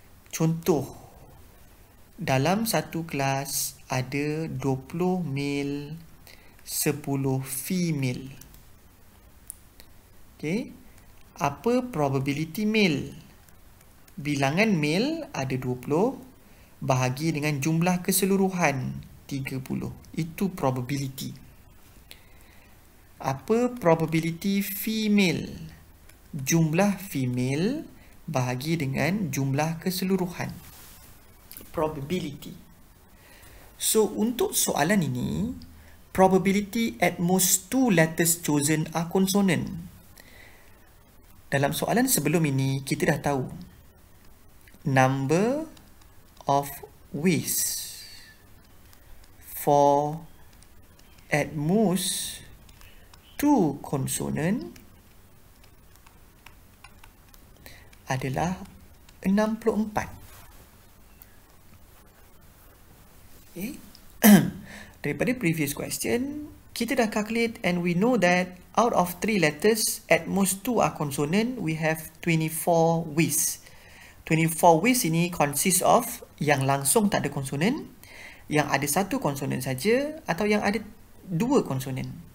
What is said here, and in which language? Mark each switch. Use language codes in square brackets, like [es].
[ms] Contoh, dalam satu kelas ada 20 male, 10 female. Okay. Apa probability male? Bilangan male ada 20 bahagi dengan jumlah keseluruhan 30. Itu probability. Apa probability female? Jumlah female bahagi dengan jumlah keseluruhan. [en] Probability. So, [ms] untuk soalan ini, [en] probability at most 2 letters chosen are consonant. [ms] Dalam soalan sebelum ini, kita dah tahu [en] number of ways [ms] for at most 2 konsonan adalah 64. [en] Okay. Daripada previous question, [ms] kita dah calculate [en] and we know that out of 3 letters, at most 2 are consonant, we have 24 ways. [ms] 24 ways ini consists of yang langsung tak ada konsonan, yang ada 1 konsonan saja, atau yang ada 2 konsonan.